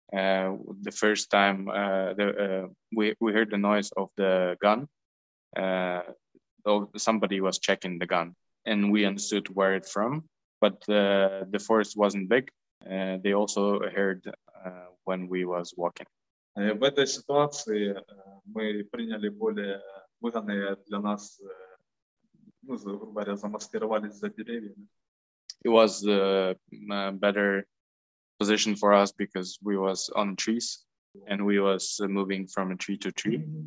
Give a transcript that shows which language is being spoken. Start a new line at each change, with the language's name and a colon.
English: The first time we heard the noise of the gun, somebody was checking the gun, and we understood where it from. But the forest wasn't big. They also heard when we was walking.
Russian: В этой ситуации мы приняли более выгодное для нас, грубо говоря, замаскировались за деревьями.
English: It was a better position for us because we was on trees and we was moving from a tree to tree.